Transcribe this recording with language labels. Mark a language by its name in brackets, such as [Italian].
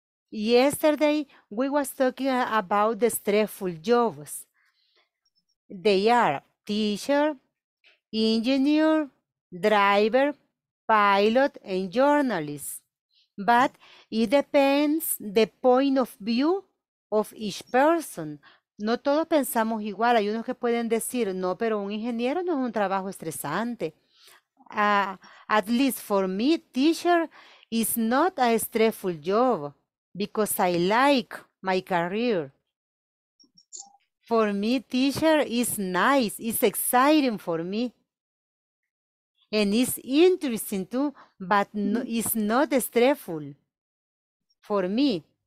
[English] Yesterday we was talking about the stressful jobs. They are teacher, engineer, driver, pilot, and journalist. But it depends the point of view of each person. [Spanish] No todos pensamos igual. Hay unos que pueden decir, no, pero un ingeniero no es un trabajo estresante. [English] At least for me, teacher is not a stressful job because I like my career. For me, teacher is nice, it's exciting for me. And it's interesting too, but no, it's not stressful for me.